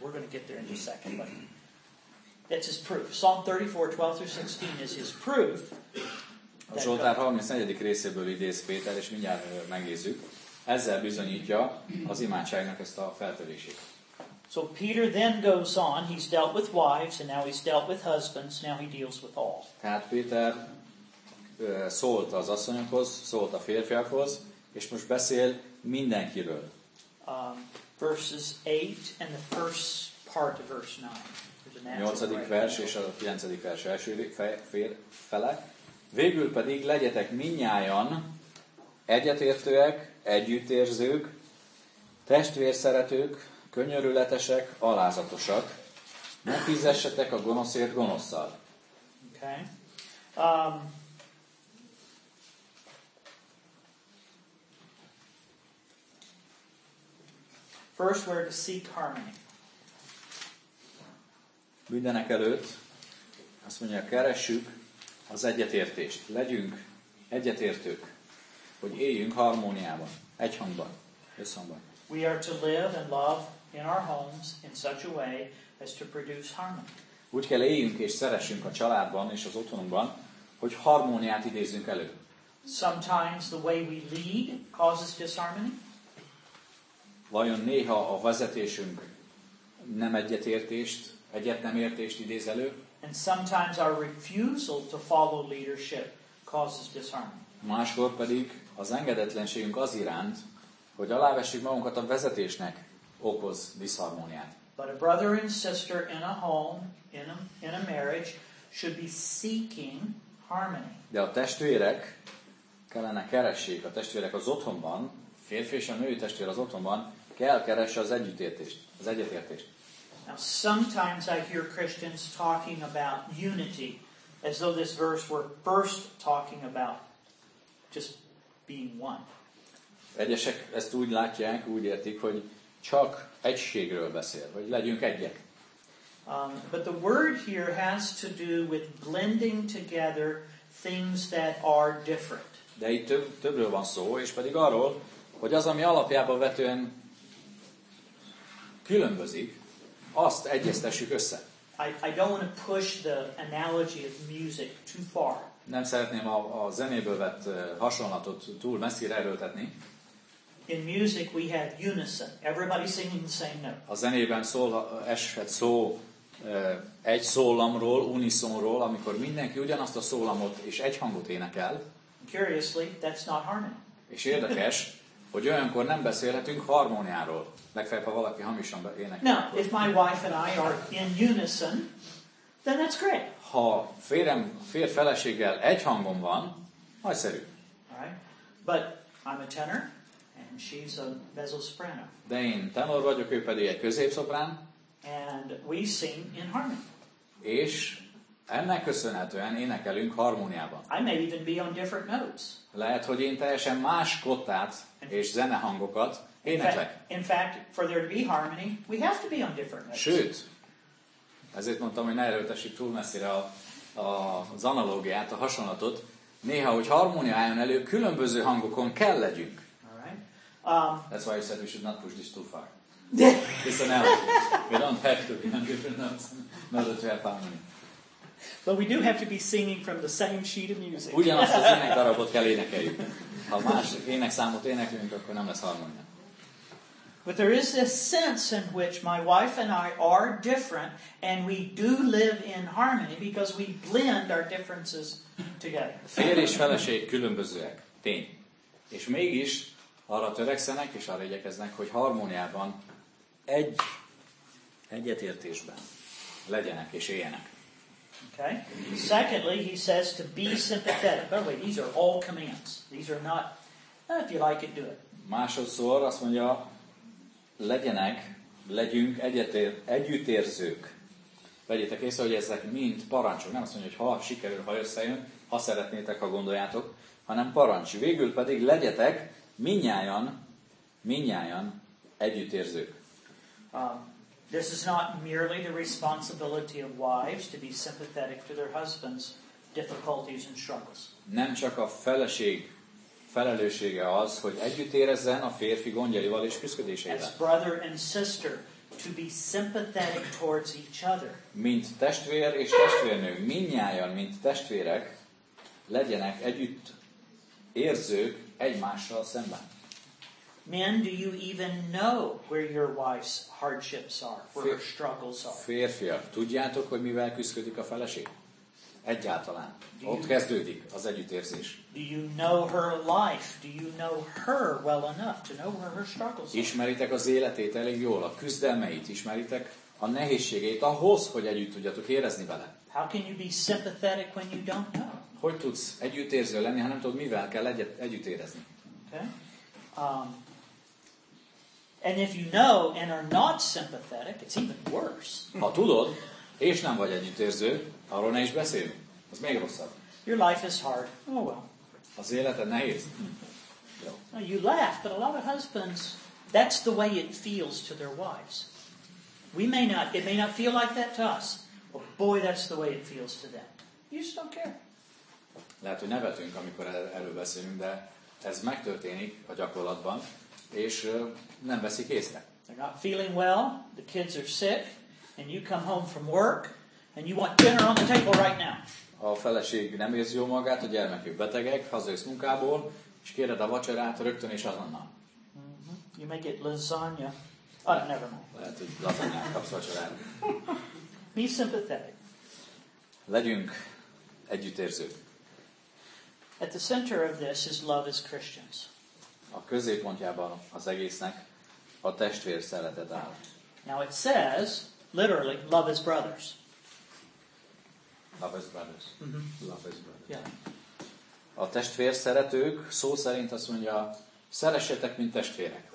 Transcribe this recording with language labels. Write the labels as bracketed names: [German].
[English] We're going to get there in just a second, but that's his proof. Psalm 34, 12 through 16 is his proof. [Hungarian] A Zsoltár 34. részéből idéz Péter, és mindjárt megnézzük. Ezzel bizonyítja az imádságnak ezt a feltörését. [English] So Peter then goes on, he's dealt with wives, and now he's dealt with husbands, now he deals with all. [Hungarian] Tehát Péter szólt az asszonyokhoz, szólt a férfiakhoz, és most beszél mindenkiről. [English] Verses 8 and the first part of verse 9. [Hungarian] 8. vers és a 9. vers első fele. Végül pedig legyetek mindnyájan egyetértőek, együttérzők, testvérszeretők, könyörületesek, alázatosak. Ne fizessetek a gonoszért gonosszal. [English] Okay. First, we're to seek harmony. [Hungarian] Mindenek előtt azt mondja, keressük az egyetértést. Legyünk egyetértők, hogy éljünk harmóniában, egyhangban, összhangban. [English] We are to live and love in our homes in such a way as to produce harmony. [Hungarian] Úgy kell éljünk és szeressünk a családban és az otthonunkban, hogy harmóniát idézzünk elő. [English] Sometimes the way we lead causes disharmony. [Hungarian] Vajon néha a vezetésünk nem egyetértést, egyet nem értést idéz elő? [English] And sometimes our refusal to follow leadership causes disharmony. [Hungarian] Máskor pedig az engedetlenségünk az iránt, hogy alávessük magunkat a vezetésnek, okoz diszharmóniát. [English] But a brother and sister in a home, in a marriage should be seeking harmony. [Hungarian] De a testvérek kellene keressék, a testvérek az otthonban, férfi és a női testvér az otthonban kell keresse az együttértést, az egyetértést. [English] Now sometimes I hear Christians talking about unity as though this verse were first talking about just being one. [Hungarian] Egyesek ezt úgy látják, úgy értik, hogy csak egységről beszél, hogy legyünk egyek. [English] But the word here has to do with blending together things that are different. [Hungarian] De itt többről van szó, és pedig arról, hogy az, ami alapjában vetően különbözik, azt egyeztessük össze. [English] I don't want to push the analogy of music too far. [Hungarian] Nem szeretném a zenéből vett hasonlatot túl messzire erőltetni. [English] In music we have unison. Everybody singing the same note. [Hungarian] A zenében eshet szó egy szólamról, unisonról, amikor mindenki ugyanazt a szólamot és egy hangot énekel. [English] Curiously, that's not harmony. [Hungarian] És érdekes, hogy olyankor nem beszélhetünk harmóniáról. Legfeljebb, ha valaki hamisan énekel. Now, akkor. [English] If my wife and I are in unison, then that's great. [Hungarian] Ha férjem, fér feleséggel egy hangon van, nagyszerű. [English] All right. But I'm a tenor. She's a mezzo-soprano. [Hungarian] De én tenor vagyok, ő pedig egy középszoprán. [English] And we sing in harmony. [Hungarian] És Ennek köszönhetően énekelünk harmóniában. [English] I may even be on different notes. [Hungarian] Lehet, hogy én teljesen más kottát és zenehangokat éneklek. [English] In fact, for there to be harmony, we have to be on different notes. [Hungarian] Sőt, ezért mondtam, hogy ne erőltessük túl messzire az analógiát, a hasonlatot. Néha, hogy harmónia álljon elő, különböző hangokon kell legyünk. [English] That's why you said we should not push this too far. It's an analogy. We don't have to be on different notes. Not that we have harmony. But we do have to be singing from the same sheet of music. [Hungarian] Ugyanazt az ének darabot kell énekeljük. Ha más énekszámot éneklünk, akkor nem lesz harmónia. [English] But there is this sense in which my wife and I are different, and we do live in harmony because we blend our differences together. [Hungarian] Férj és feleség különbözőek. Tény. És mégis arra törekszenek és arra igyekeznek, hogy harmóniában egyetértésben legyenek és éljenek. [English] Okay. Secondly, he says to be sympathetic. By the way, these are all commands. These are not, if you like it, do it. [Hungarian] Másodszor azt mondja, legyenek, legyünk együttérzők. Vegyétek észre, hogy ezek mind parancsok. Nem azt mondja, hogy ha sikerül, ha összejön, ha szeretnétek, ha gondoljátok, hanem parancs. Végül pedig legyetek mindnyájan együttérzők. [English] This is not merely the responsibility of wives to be sympathetic to their husbands' difficulties and struggles. [Hungarian] Nem csak a feleség felelőssége az, hogy együtt érezzen a férfi gondjaival és küszködésével. [English] As brother and sister, to be sympathetic towards each other. [Hungarian] Mint testvér és testvérnő, mindnyájan, mint testvérek, legyenek együtt érzők egymással szemben. [English] Men, do you even know where your wife's hardships are, where her struggles are? [Hungarian] Férfiak, tudjátok, hogy mivel küszködik a feleség? Egyáltalán. Ott kezdődik az együttérzés. [English] Do you know her life? Do you know her well enough to know where her struggles are? [Hungarian] Ismeritek az életét elég jól, a küzdelmeit ismeritek, a nehézségeit ahhoz, hogy együtt tudjatok érezni vele. [English] How can you be sympathetic when you don't know? [Hungarian] Hogy tudsz együttérző lenni, ha nem tudod, mivel kell együtt érezni? [English] And if you know and are not sympathetic, it's even worse. [Hungarian] Ha tudod, és nem vagy együttérző, arról ne is beszélj. Az még rosszabb. [English] Your life is hard. Oh well. [Hungarian] Az életed nehéz. [English] No, you laugh, but a lot of husbands, that's the way it feels to their wives. It may not feel like that to us, but boy, that's the way it feels to them. You just don't care. [Hungarian] Lehet, hogy nevetünk, amikor erről beszélünk, de ez megtörténik a gyakorlatban, és nem veszik észre. [English] They're not feeling well, the kids are sick, and you come home from work, and you want dinner on the table right now. [Hungarian] A feleség nem érzi jól magát, a gyermekük betegek, hazajössz munkából, és kéred a vacsorát rögtön és azonnal. [English] Mm-hmm. You may get lasagna. Oh, never mind. [Hungarian] Lehet, hogy lasagna kapsz vacsorát. [English] Be sympathetic. [Hungarian] Legyünk együttérzők. [English] At the center of this is love as Christians. [Hungarian] A középpontjában az egésznek a testvér szeretet áll. [English] Now it says, literally, love as brothers. Love as brothers. Mm-hmm. Love as brothers. Yeah. [Hungarian] A testvér szeretők szó szerint azt mondja, szeressetek, mint testvérek.